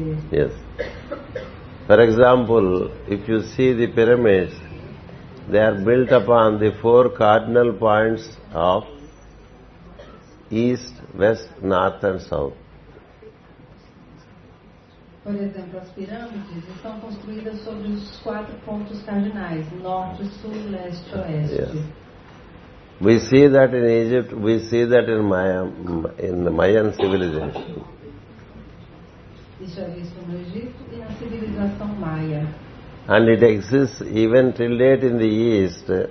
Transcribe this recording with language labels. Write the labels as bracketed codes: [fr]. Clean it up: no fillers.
[en] Yes. For example, if you see the pyramids, they are built upon the four cardinal points of East, West, North and South. [pt] Por exemplo, as pirâmides estão construídas sobre os quatro pontos cardinais, Norte, Sul, Leste, Oeste. [en] Yes. We see that in Egypt, we see that in the Mayan civilization. And it exists even till late in the East.